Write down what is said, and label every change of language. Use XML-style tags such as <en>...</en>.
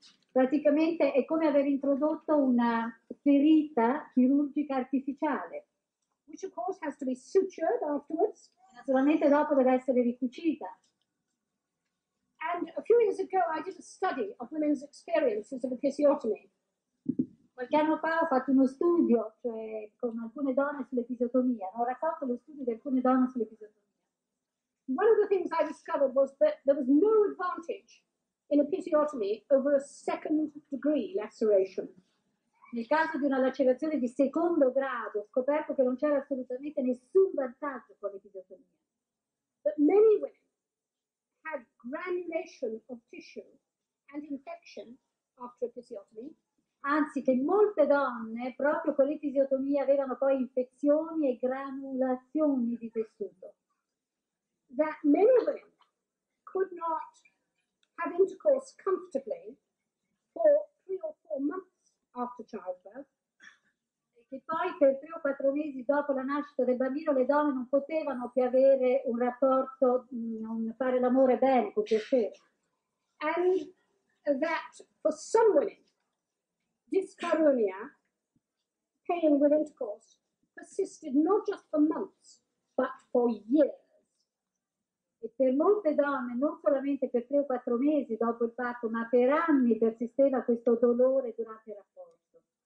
<it>Praticamente è come aver introdotto una ferita chirurgica artificiale.</it> <en>Which of course has to be sutured afterwards.</en> <it>Naturalmente dopo deve essere ricucita.</it> <en>And a few years ago I did a study of women's experiences of episiotomy.</en> <it>Qualche anno fa ho fatto uno studio, cioè, con alcune donne sull'episiotomia. Ho raccolto lo studio di alcune donne sull'episiotomia.</it> <en>One of the things I discovered was that there was no advantage in episiotomy over a second degree laceration.</en> <it>Nel caso di una lacerazione di secondo grado, ho scoperto che non c'era assolutamente nessun vantaggio con l'episiotomia.</it> <en>But many women had granulation of tissue and infection after episiotomy.</en> <it>Anzi, che molte donne, proprio con l'episiotomia, avevano poi infezioni e granulazioni di tessuto.</it> <en>That many women could not have intercourse comfortably for 3 or 4 months after childbirth.</en> <it>E che poi per 3 o 4 mesi dopo la nascita del bambino le donne non potevano più avere un rapporto, non fare l'amore bene, con piacere.</it> <en>And that for some women, dyscoronia, pain with intercourse, persisted not just for months, but for years.</en> <it>E per molte donne, non solamente per 3 o 4 mesi dopo il parto, ma per anni persisteva questo dolore durante il rapporto.</it>